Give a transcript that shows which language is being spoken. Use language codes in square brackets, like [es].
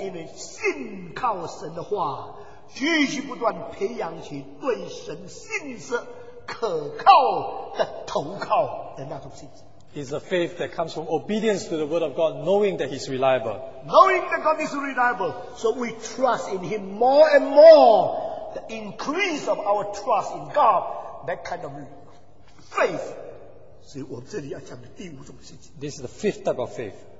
[zh] 因为信靠神的话。继续不断培养起对神信实可靠的投靠的那种信心。 [en] It's a faith that comes from obedience to the word of God, knowing that He's reliable. Knowing that God is reliable, so we trust in Him more and more. The increase of our trust in God, that kind of faith, This is the fifth type of faith.